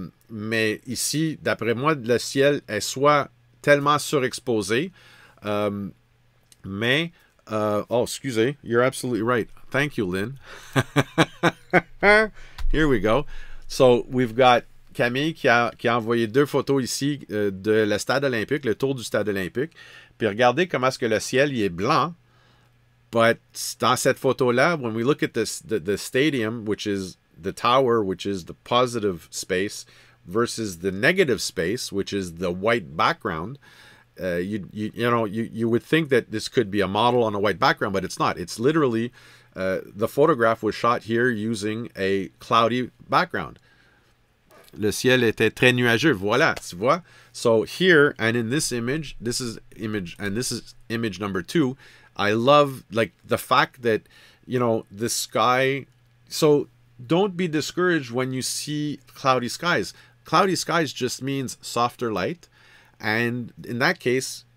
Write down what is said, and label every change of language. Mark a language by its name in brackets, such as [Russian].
[French] Mais ici, d'après moi, le ciel est soit tellement surexposé, excusez, [English] you're absolutely right. Thank you, Lynn. Here we go. So we've got [French] Camille qui a envoyé deux photos ici de le stade olympique, le tour du stade olympique. Puis regardez comment est-ce que le ciel il est blanc. [English] But [French] dans cette photo-là, [English] when we look at the stadium, which is the tower, which is the positive space, versus the negative space, which is the white background, you would think that this could be a model on a white background, but it's not. It's literally, the photograph was shot here using a cloudy background. [French] Le ciel était très nuageux, voilà, tu vois? [English] So here, and in this image, this is image number two, I love, the fact that, the sky, so don't be discouraged when you see cloudy skies. Cloudy skies just means softer light. And in that case,